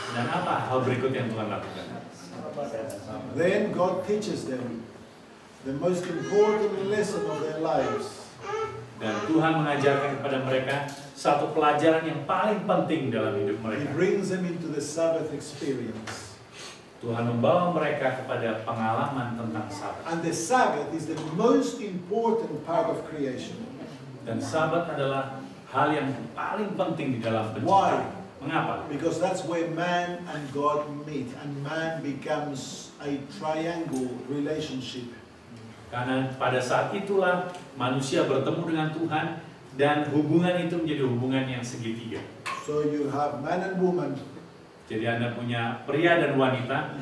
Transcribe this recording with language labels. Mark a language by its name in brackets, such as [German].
[Indonesian] Dan apa hal berikut yang Tuhan lakukan? [English] Then God teaches them the most important lesson of their lives. [Indonesian] Dan Tuhan mengajarkan kepada mereka satu pelajaran yang paling penting dalam hidup mereka. [English] He brings them into the Sabbath experience. [Indonesian] Tuhan membawa mereka kepada pengalaman tentang Sabat. [English] And the Sabbath is the most important part of creation. [Indonesian] Dan Sabat adalah hal yang paling penting di dalam penciptaan. [English] Why? [Indonesian] Mengapa? [English] Because that's where man and God meet, and man becomes a triangle relationship. [Indonesian] Karena pada saat itulah manusia bertemu dengan Tuhan dan hubungan itu menjadi hubungan yang segitiga. [English] So you have man and woman. [Indonesian] Jadi Anda punya pria dan wanita.